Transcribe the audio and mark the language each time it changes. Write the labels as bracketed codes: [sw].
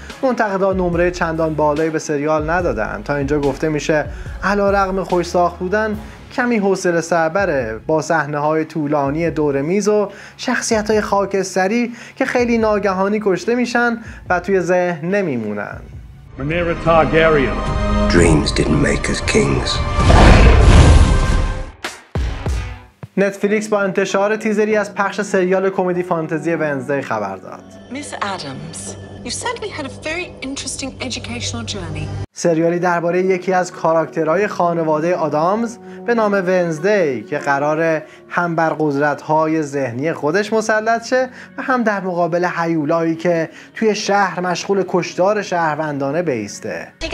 [fa] منتقدان نمره چندان بالایی به سریال ندادن. تا اینجا گفته میشه علارغم خوش ساخت بودن کمی حوصله سربره، با صحنه های طولانی دور میز و شخصیت های خاکستری که خیلی ناگهانی کشته میشن و توی ذهن نمیمونن. [en] Rhaenyra Targaryen. Dreams didn't make us kings. [fa] نتفلیکس با انتشار تیزری از پخش سریال کمدی فانتزی ونزدی خبر داد. [en] Miss Adams, you certainly had a very interesting educational journey. [fa] سریالی درباره یکی از کاراکترهای خانواده آدامز به نام ونزدی که قراره هم بر قدرت‌های ذهنی خودش مسلط شه و هم در مقابل هیولایی که توی شهر مشغول کشتار شهروندانه بیسته.